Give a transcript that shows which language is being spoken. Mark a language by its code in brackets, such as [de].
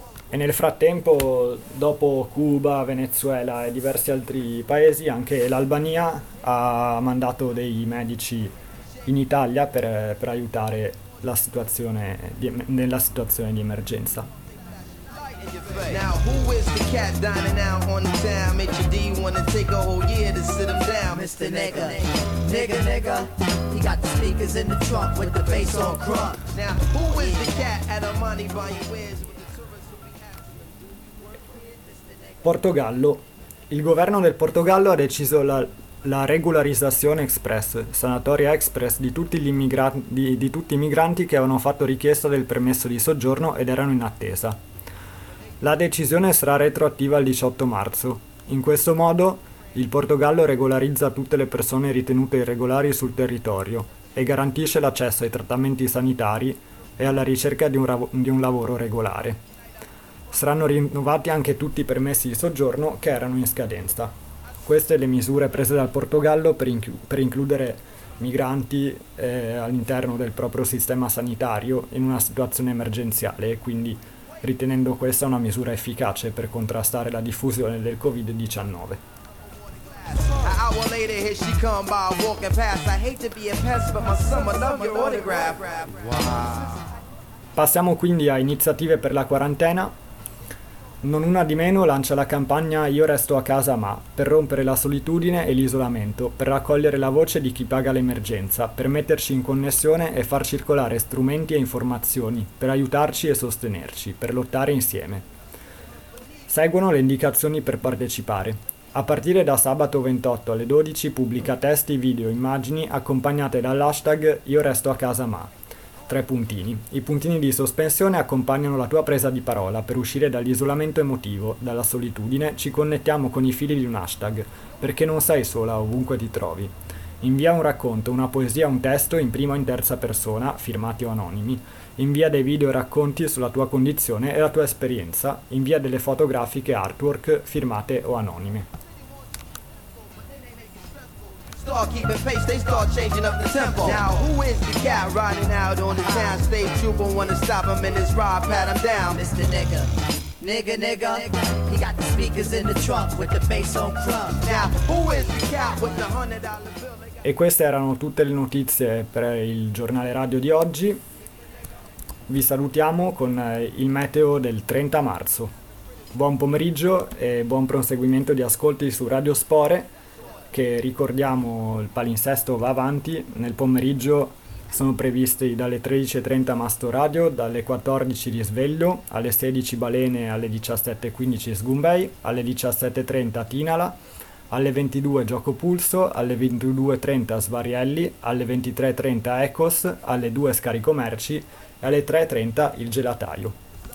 [it] E nel frattempo, dopo Cuba, Venezuela e diversi altri paesi, anche l'Albania ha mandato dei medici in Italia per aiutare la situazione nella situazione di emergenza. [en] Now who is the cat dining out on the town? Major D wanna take a whole year to sit him down. Mr. Nigga, nigga, nigga. He got the sneakers in the trunk with the bass on crunk. Now who is the cat at Armani by your wears? [it] Portogallo. Il governo del Portogallo ha deciso la regularizzazione express, sanatoria express, di tutti i migranti che avevano fatto richiesta del permesso di soggiorno ed erano in attesa. La decisione sarà retroattiva al 18 marzo. In questo modo il Portogallo regolarizza tutte le persone ritenute irregolari sul territorio e garantisce l'accesso ai trattamenti sanitari e alla ricerca di un lavoro regolare. Saranno rinnovati anche tutti i permessi di soggiorno che erano in scadenza. Queste le misure prese dal Portogallo per includere migranti all'interno del proprio sistema sanitario in una situazione emergenziale e quindi ritenendo questa una misura efficace per contrastare la diffusione del Covid-19. [en] An hour later, here she come by walking past. I hate to be a pest, but my summer love your autograph. Wow. [it] Passiamo quindi a iniziative per la quarantena. Non una di meno lancia la campagna Io resto a casa ma, per rompere la solitudine e l'isolamento, per raccogliere la voce di chi paga l'emergenza, per metterci in connessione e far circolare strumenti e informazioni, per aiutarci e sostenerci, per lottare insieme. Seguono le indicazioni per partecipare. A partire da sabato 28 alle 12 pubblica testi, video, immagini accompagnate dall'hashtag Io resto a casa ma. Tre puntini. I puntini di sospensione accompagnano la tua presa di parola per uscire dall'isolamento emotivo, dalla solitudine, ci connettiamo con i fili di un hashtag, perché non sei sola ovunque ti trovi. Invia un racconto, una poesia, un testo in prima o in terza persona, firmati o anonimi. Invia dei video racconti sulla tua condizione e la tua esperienza. Invia delle fotografiche artwork, firmate o anonime. [en] Start keeping pace, they start changing up the tempo. Now who is the cat riding out on the town? Stay trooper, wanna stop him in his ride, pat him down. Mr. Nigga, nigga, nigga. He got the speakers in the trunk with the bass on crumb. Now who is the cat with the $100 bill? [it] E queste erano tutte le notizie per il giornale radio di oggi. Vi salutiamo con il meteo del 30 marzo. Buon pomeriggio e buon proseguimento di ascolti su Radio Spore. Che ricordiamo, il palinsesto va avanti, nel pomeriggio sono previsti dalle 13.30 Masto Radio, dalle 14 Risveglio, alle 16 Balene, alle 17.15 Sgumbei, alle 17.30 Tinala, alle 22 Gioco Pulso, alle 22.30 Svarielli, alle 23.30 Ecos, alle 2 Scarico Merci e alle 3.30 Il Gelataio.